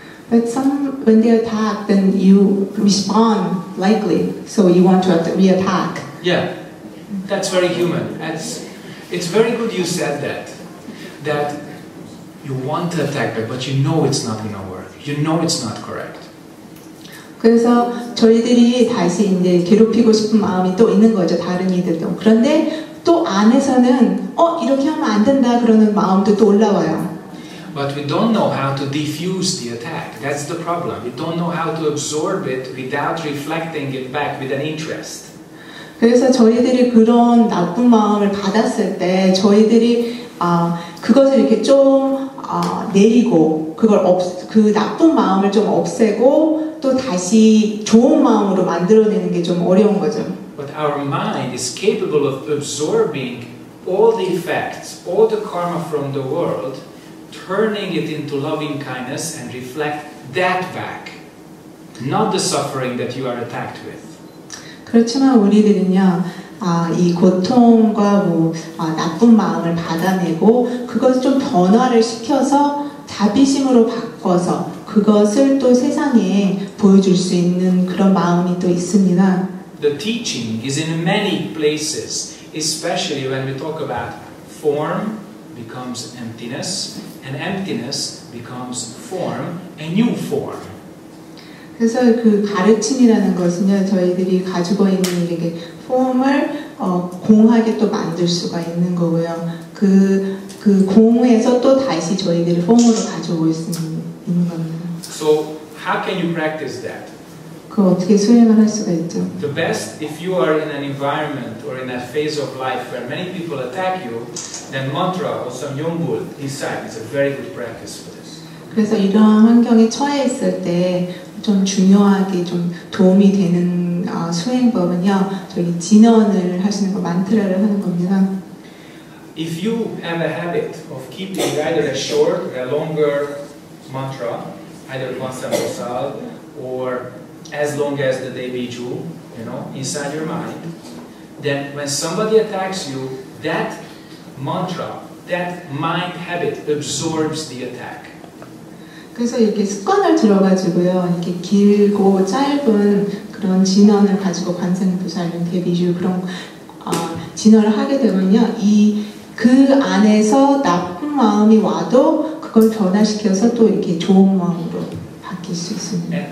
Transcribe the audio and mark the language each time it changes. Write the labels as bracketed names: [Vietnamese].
[English] But some, when they attack, then you respond likely. So you want to re-attack. Yeah, that's very human. That's, it's very good you said that. That you want to attack, but you know it's not going to work. You know it's not correct. [Korean] 그래서 저희들이 다시 이제 괴롭히고 싶은 마음이 또 있는 거죠, 다른 이들도. 그런데 또 안에서는 이렇게 하면 안 된다 그러는 마음도 또 올라와요. [English] But we don't know how to diffuse the attack. That's the problem. We don't know how to absorb it without reflecting it back with an interest. [Korean] 그래서 저희들이 그런 나쁜 마음을 받았을 때 저희들이 그것을 이렇게 좀 내리고 그걸 그 나쁜 마음을 좀 없애고 또 다시 좋은 마음으로 만들어내는 게 좀 어려운 거죠. [English] But our mind is capable of absorbing all the effects, all the karma from the world. Turning it into loving kindness and reflect that back, not the suffering that you are attacked with. [Korean] 그렇지만 우리들은요, 이 고통과 나쁜 마음을 받아내고 그것을 좀 변화를 시켜서 자비심으로 바꿔서 그것을 또 세상에 보여줄 수 있는 그런 마음이 또 있습니다. [English] The teaching is in many places, especially when we talk about form becomes emptiness. And emptiness becomes form, a new form. [Korean] 그래서 그 가르침이라는 것은요, 저희들이 가지고 있는 이렇게 form을 공하게 또 만들 수가 있는 거고요. 그 공에서 또 다시 저희들이 form으로 가지고 있는 겁니다. [English] So how can you practice that? [Korean] 그 어떻게 수행을 할 수가 있죠? [English] The best, if you are in an environment or in a phase of life where many people attack you. Then mantra or some yombul inside is a very good practice for this. [Korean] 그래서 이러한 환경에 처해 있을 때 좀 중요하게 좀 도움이 되는 수행법은요, 저희 진언을 하시는 거 만트라를 하는 겁니다. [English] If you have a habit of keeping either a short or a longer mantra, either Vasam Vasal or as long as the day be true, you know, inside your mind, then when somebody attacks you, that mantra, that mind habit absorbs the attack. [Korean] 그래서 이렇게 습관을 들어가지고요, 이렇게 길고 짧은 그런 진언을 가지고 관상부사님 대비주 그런 진언을 하게 되면요, 이 그 안에서 나쁜 마음이 와도 그걸 변화시켜서 또 이렇게 좋은 마음으로 바뀔 수 있습니다.